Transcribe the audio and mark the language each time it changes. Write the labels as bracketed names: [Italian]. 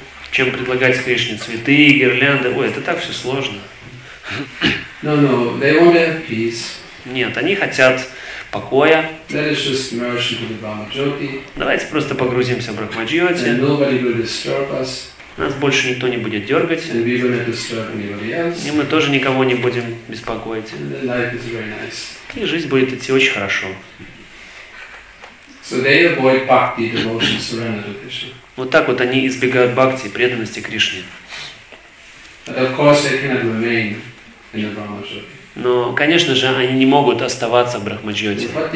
[Russian] Чем предлагать Кришне цветы, гирлянды. Ой, это так все сложно. [English] No, they want to have peace. [Russian] Нет, они хотят покоя. [English] Let us just merge into the Brahmajyoti. [Russian] Давайте просто погрузимся в Брахмаджиоти. [English] And nobody will disturb us. [Russian] Нас больше никто не будет дергать. [English] And we will not disturb anybody else. [Russian] И мы тоже никого не будем беспокоить. [English] And life is very nice. [Russian] И жизнь будет идти очень хорошо. [English] So they avoid bhakti, devotion, surrender to Krishna. [Russian] Вот так вот они избегают бхакти, преданности Кришне. [English] But of course they cannot remain. [Russian] Но, конечно же, они не могут оставаться в Брахмаджоте.